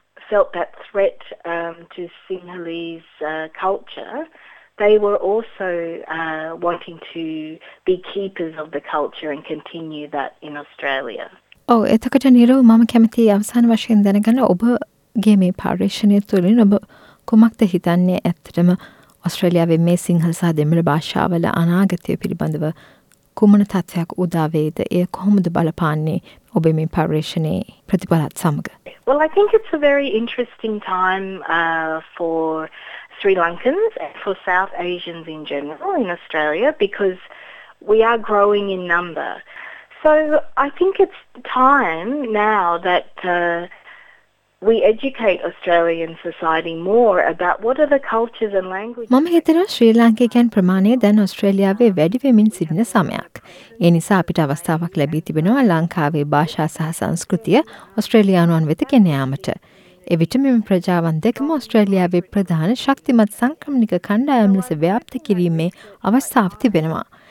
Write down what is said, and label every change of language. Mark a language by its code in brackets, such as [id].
[en] Felt that threat to Sinhalese culture. They were also wanting to be keepers of the culture and continue that in Australia. [si] Oh, එතකොට නිරෝ මම කැමති අවසාන වශයෙන් දැනගන්න ඔබගේ මේ පරිශ්‍රණය තුළින් ඔබ කොමක්ද හිතන්නේ ඇත්තටම ඔස්ට්‍රේලියාවේ මේ සිංහල සහ දෙමළ භාෂාවල අනාගතය පිළිබඳව කුමන තත්ත්වයක් උදා වේද? එය කොහොමද බලපාන්නේ ඔබේ මේ පරිශ්‍රණයේ ප්‍රතිඵලත් සමග? [en] Well, I think it's a very interesting time for Sri Lankans and for South Asians in general in Australia because we are growing in number. So I think it's time now that we educate Australian society more about what are the cultures and languages. [si] මම හිතනවා ශ්‍රී ලාංකිකයන් ප්‍රමාණය දැන් ඔස්ට්‍රේලියාවේ වැඩි වෙමින් සිටින සමයක්. ඒ නිසා අපිට අවස්ථාවක් ලැබී තිබෙනවා ලංකාවේ භාෂා සහ සංස්කෘතිය ඔස්ට්‍රේලියානුවන් වෙත ගෙන යාමට. එවිට මෙම ප්‍රජාවන් දෙකම ඔස්ට්‍රේලියාවේ ප්‍රධාන ශක්තිමත් සංක්‍රමණික කණ්ඩායම් ලෙස ව්‍යාප්ත කිරීමේ අවස්ථාව තිබෙනවා.